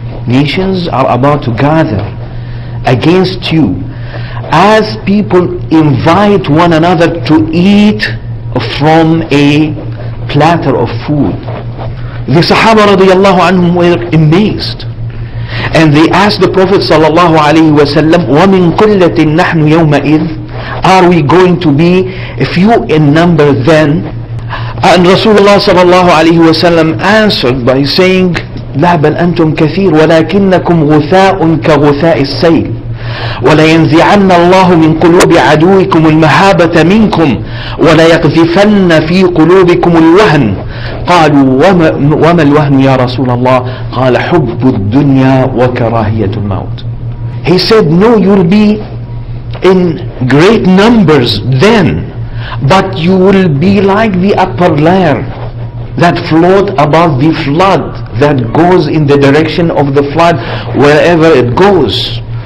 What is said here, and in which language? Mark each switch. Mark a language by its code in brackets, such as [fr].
[en] Nations are about to gather against you as people invite one another to eat from a platter of food. The Sahaba radiallahu anhum were amazed and they asked the Prophet sallallahu alayhi wa sallam, [ar] وَمِن قُلَّةٍ نَحْنُ يَوْمَئِذٍ. [en] Are we going to be a few in number then? And Rasulullah sallallahu alayhi wa sallam answered by saying, [ar] لا بل أنتم كثير ولكنكم غثاء كغثاء السيل ولينزعن الله من قلوب عدوكم المهابة منكم وليقذفن في قلوبكم الوهن. قالوا وما الوهن يا رسول الله؟ قال حب الدنيا وكراهية الموت. [en] He said, no, you'll be in great numbers then, but you will be like the upper layer that float above the flood, that goes in the direction of the flood wherever it goes,